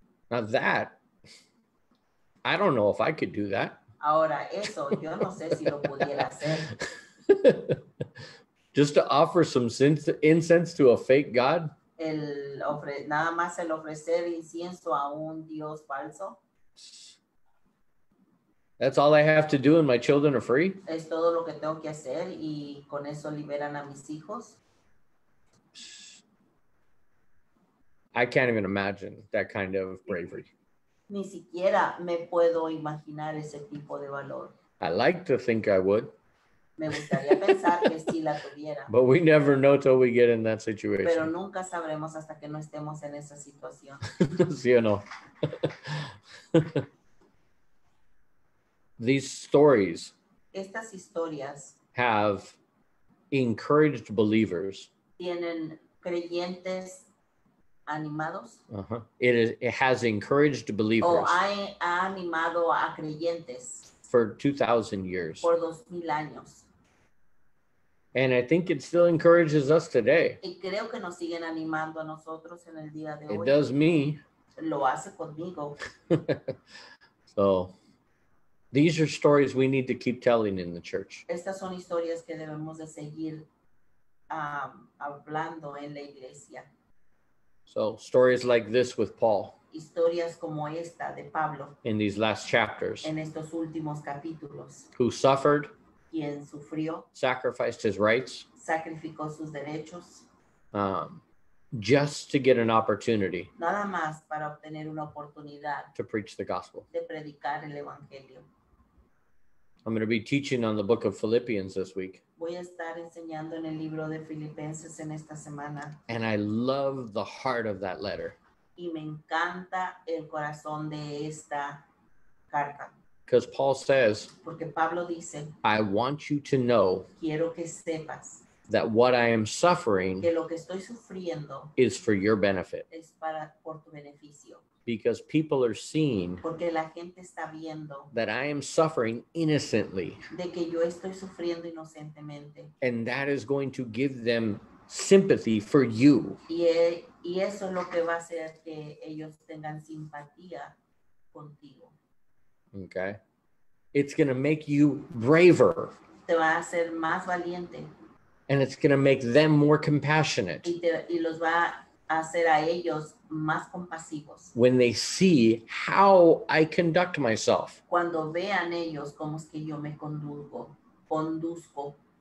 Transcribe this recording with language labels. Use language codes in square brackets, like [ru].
[en] Now that, I don't know if I could do that. [es] Ahora eso, yo no sé si lo pudiera hacer. [en] Just to offer some incense to a fake god? [es] Nada más el ofrecer incienso a un dios falso? [en] That's all I have to do and my children are free. [es] Es todo lo que tengo que hacer y con eso liberan a mis hijos. [en] I can't even imagine that kind of bravery. [es] Ni siquiera me puedo imaginar ese tipo de valor. [en] I like to think I would. [es] Me gustaría pensar que sí la tuviera. [en] But we never know till we get in that situation. [es] Pero nunca sabremos hasta que no estemos en esa situación. Sí o no. [en] These stories [es] estas historias [en] have encouraged believers. [es] Tienen creyentes animados. [en] Uh-huh. It has encouraged believers. [es] Oh, ha animado a creyentes. [en] For 2,000 years. [es] Por 2,000 años. [en] And I think it still encourages us today. [es] Y creo que nos siguen animando a nosotros en el día de hoy. [en] It does me. [es] Lo hace conmigo. [en] So, these are stories we need to keep telling in the church. [es] Estas son historias que debemos de seguir hablando en la iglesia. [en] So, stories like this with Paul. [es] Historias como esta de Pablo. [en] In these last chapters. [es] En estos últimos capítulos. [en] Who suffered. [es] Quien sufrió. [en] Sacrificed his rights. [es] Sacrificó sus derechos. [en] Just to get an opportunity. [es] Nada más para obtener una oportunidad. [en] To preach the gospel. [es] De predicar el evangelio. [en] I'm going to be teaching on the book of Philippians this week. [es] Voy a estar enseñando en el libro de Filipenses en esta semana. [en] And I love the heart of that letter. [es] Y me encanta el corazón de esta carta. [en] Because Paul says, [es] porque Pablo dice, [en] I want you to know, [es] quiero que sepas, [en] that what I am suffering, [es] que lo que estoy sufriendo, [en] is for your benefit. [es] Es para, por tu beneficio. [en] Because people are seeing, [es] porque la gente está viendo, [en] that I am suffering innocently. [es] De que yo estoy sufriendo inocentemente. [en] And that is going to give them sympathy for you. [es] Y eso es lo que va a hacer que ellos tengan simpatía contigo. [en] Okay. It's going to make you braver. [es] Te va a hacer más valiente. [en] And it's going to make them more compassionate. [es] Y los va a hacer a ellos más compasivos. [en] When they see how I conduct myself. [es] Cuando vean ellos cómo es que yo me conduzco.